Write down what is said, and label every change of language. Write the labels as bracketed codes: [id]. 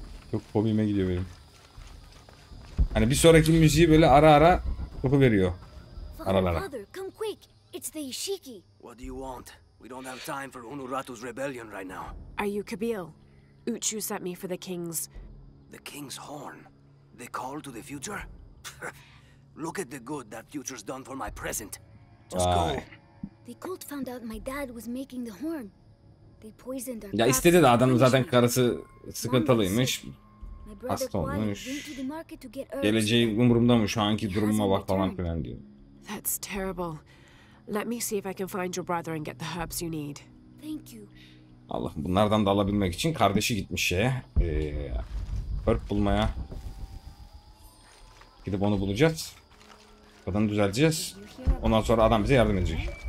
[tr] Çok komiğime gidiyor benim. Hani bir sonraki müziği böyle ara ara topu veriyor. [en] Aralara. Come quick. It's the Ishiki. What do you want? We don't have time for Unuratu's rebellion right now. Are you Kabil? Uchu sent me for the king's... The king's horn? The call to the future? Look at the good that future's done for my present. Just go. The cult found out my dad was making the horn. They poisoned our... [tr] Ya istedi de adamın zaten karısı sıkıntılıymış. Hasta olmuş. Geleceği umurumdamış şu anki durumuma bak falan filan diyor. [en] That's terrible. Let me see if I can find your brother and get the herbs you need. Thank you. [tr] Allah'ım bunlardan da alabilmek için kardeşi gitmiş şeye. Herb bulmaya. Gidip onu bulacağız. Kadın düzelteceğiz. Ondan sonra adam bize yardım edecek.